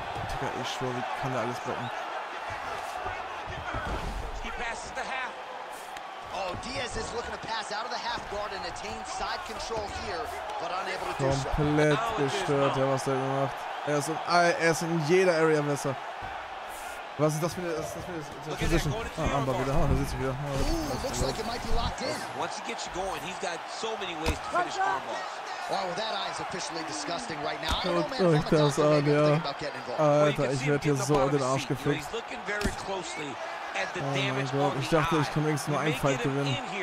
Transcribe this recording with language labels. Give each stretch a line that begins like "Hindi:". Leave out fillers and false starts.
German: Digga, ich schwör, wie kann der alles blocken?
English: He passes the half. Oh, Diaz is looking to pass out of the half guard and attain side control here, but unable to do so.
German: Komplett gestört, ja, was der gemacht. Er ist in jeder Area besser. Was ist das für eine Position? Ah, Armbar wieder, ah, da sitzt er wieder. Ah,
English: ooh, looks like it might be locked in. Once he gets you going, he's got so many ways to finish armbars. Oh, well, that eye is officially disgusting right now. Oh, man, oh,
German: ich das an, ja. Alter, ich werde hier so den Arsch gefickt.
English: He's looking very closely at the
German: oh mein Gott, ich dachte, ich kann wenigstens nur einen Fight gewinnen.